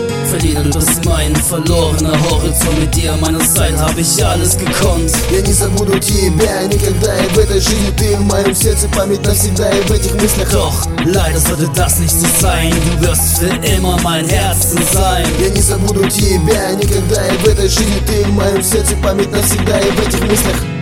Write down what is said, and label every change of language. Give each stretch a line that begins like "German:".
German: Verlieren, das ist mein verlorener Horizont. Mit dir an meiner Seite hab ich alles gekonnt.
Russian: Я не забуду тебя никогда, и в этой жизни ты в моем сердце память навсегда, и в этих мыслях.
German: Doch leider sollte das nicht so sein. Du wirst für immer mein Herzen sein.
Russian: Я не забуду тебя никогда, и в этой жизни ты в моем сердце память навсегда, и в этих мыслях.